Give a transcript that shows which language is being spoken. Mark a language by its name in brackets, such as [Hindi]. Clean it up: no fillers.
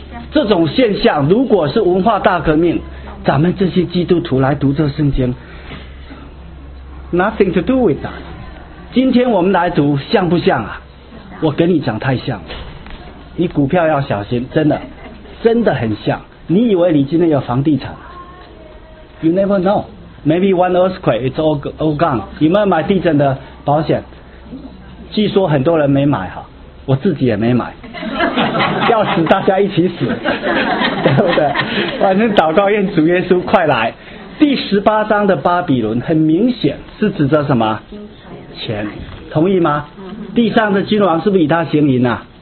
[Chinese] 这种现象如果是文化大革命，咱们这些基督徒来读这圣经 [English] nothing to do with that。 [Chinese] 今天我们来读像不像啊？我跟你讲太像了，你股票要小心，真的真的很像。你以为你今天有房地产？ [English] You never know， maybe one earthquake it's all gone。 [Chinese] 有没有买地震的保险？据说很多人没买哈，我自己也没买，要死大家一起死，对不对？反正祷告愿主耶稣快来。第十八章的巴比伦很明显是指着什么？钱，同意吗？地上的君王是不是以他行淫啊？